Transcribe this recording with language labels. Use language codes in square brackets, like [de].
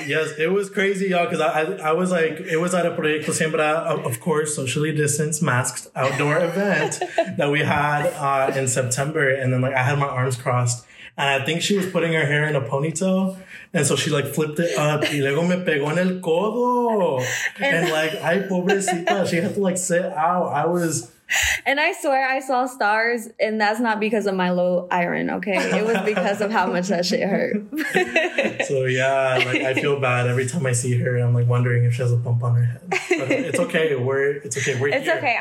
[en] Yes, it was crazy, y'all, because I was like, it was at a Proyecto Siembra, of course, socially distanced, masked outdoor event that we had in September. And then, like, I had my arms crossed. And I think she was putting her hair in a ponytail. And so she, like, flipped it up. [es] Y luego me pegó en el codo. [en] And like, [es] ay, pobrecita. [en] She had to, like, sit out. I was... And I swear I saw stars, and that's not because of my low iron, okay? It was because of how much that shit hurt. So, yeah, like, I feel bad every time I see her. I'm, like, wondering if she has a bump on her head. But it's okay. We're here.